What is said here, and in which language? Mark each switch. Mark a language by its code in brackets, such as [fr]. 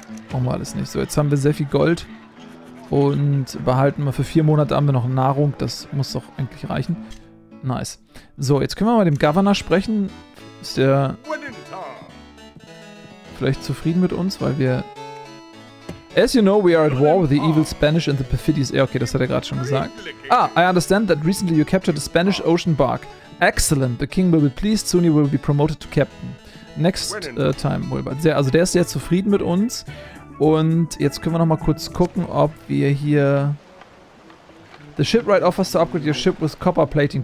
[de] Brauchen wir alles nicht. So, jetzt haben wir sehr viel Gold. Und behalten wir für 4 Monate haben wir noch Nahrung. Das muss doch eigentlich reichen. [en] Nice. [de] So, jetzt können wir mal mit dem Governor sprechen. Ist der vielleicht zufrieden mit uns, weil wir... [en] As you know, we are at war with the evil Spanish and the perfidious... [de] Ja, okay, das hat er gerade schon gesagt. [en] Ah, I understand that recently you captured a Spanish ocean bark. Excellent, the king will be pleased, soon he will be promoted to captain. Next time, Wilbert. [de] Also der ist sehr zufrieden mit uns. Und jetzt können wir nochmal kurz gucken, ob wir hier... [en] The shipwright offers to upgrade your ship with copper plating.